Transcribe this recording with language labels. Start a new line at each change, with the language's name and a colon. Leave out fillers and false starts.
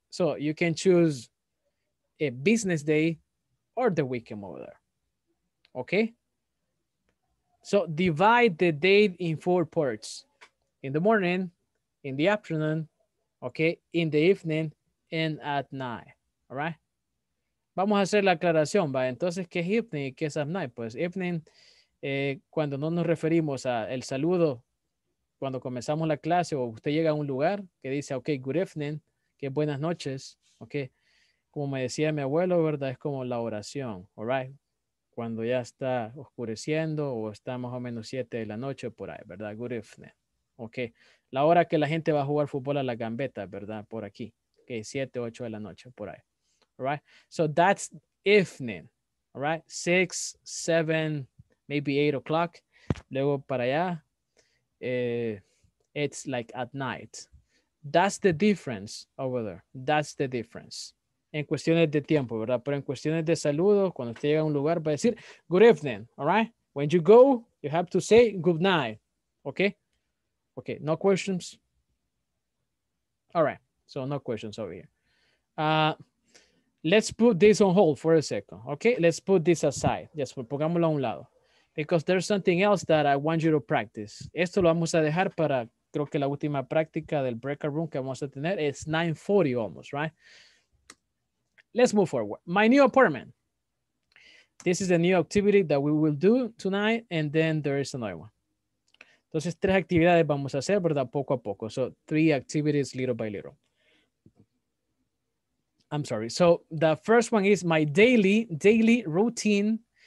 English: So you can choose a business day or the weekend over there. Okay, so divide the day in four parts, in the morning, in the afternoon, okay, in the evening, and at night, all right?
Spanish: Vamos a hacer la aclaración, ¿va? Entonces, ¿qué es evening y qué es at night? Pues evening, cuando no nos referimos al saludo, cuando comenzamos la clase o usted llega a un lugar que dice, okay, good evening, que buenas noches, okay, como me decía mi abuelo, ¿verdad? Es como la oración, all right? Cuando ya está oscureciendo o está más o menos 7 de la noche por ahí, ¿verdad? Good evening. Ok. La hora que la gente va a jugar fútbol a la gambeta, ¿verdad? Por aquí. Ok. 7, 8 de la noche por ahí. All right.
English: So that's evening. All right. 6, 7, maybe 8 o'clock.
Spanish: Luego para allá.
English: It's like at night. That's the difference over there. That's the difference.
Spanish: En cuestiones de tiempo, ¿verdad? Pero en cuestiones de saludo, cuando usted llega a un lugar, va a decir, good evening, all right?
English: When you go, you have to say good night, okay? Okay, no questions? All right, so no questions over here. Let's put this on hold for a second, okay? Let's put this aside. Yes,
Spanish: pongámoslo a un lado.
English: Because there's something else that I want you to practice.
Spanish: Esto lo vamos a dejar para, creo que la última práctica del breakout room que vamos a tener es 9:40
English: almost, right? Let's move forward. My new apartment. This is a new activity that we will do tonight, and then there is another one.
Spanish: Entonces, tres actividades vamos a hacer, ¿verdad? Poco a poco.
English: So, three activities, little by little. I'm sorry. So, the first one is my daily routine.